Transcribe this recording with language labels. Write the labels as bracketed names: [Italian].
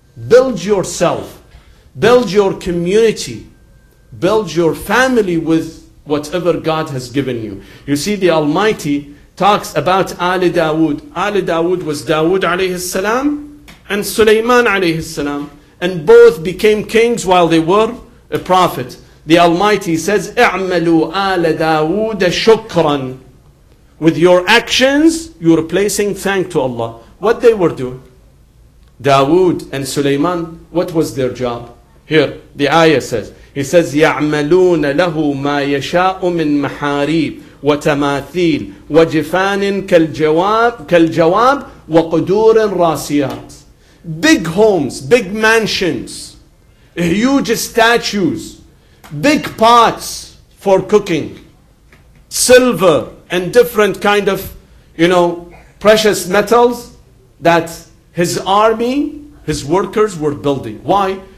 [English] Build yourself, build your community, build your family with whatever God has given you. You see, the Almighty talks about Ali Dawood. Ali Dawood was Dawood alayhi salam and Sulaiman alayhi salam. And both became kings while they were a prophet. The Almighty says, [Arabic] اعملوا آل داود شكرا. [English] With your actions, you're placing thanks to Allah. What they were doing? Dawood and Sulaiman, what was their job? Here, the ayah says, he says, [Arabic] يعملون له ما يشاء من محاريب وتماثيل وجفان كالجواب وقدور راسيات. [English] Big homes, big mansions, huge statues, big pots for cooking, silver and different kind of, you know, precious metals that his army, his workers were building. Why?